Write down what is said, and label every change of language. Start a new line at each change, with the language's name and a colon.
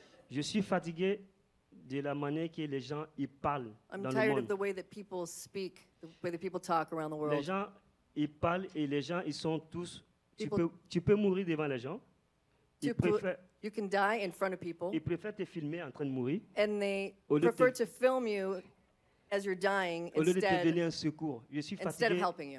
French: Je suis fatigué de la manière que les gens y parlent
English: I'm
French: dans
English: tired
French: le monde.
English: Of the way that people speak, the way that people talk around the world.
French: Les gens y parlent et les gens ils sont tous. Tu peux mourir devant les gens.
English: You can die in front of people.
French: Ils préfèrent te filmer en train de mourir.
English: And they prefer to film you as you're dying instead of helping you.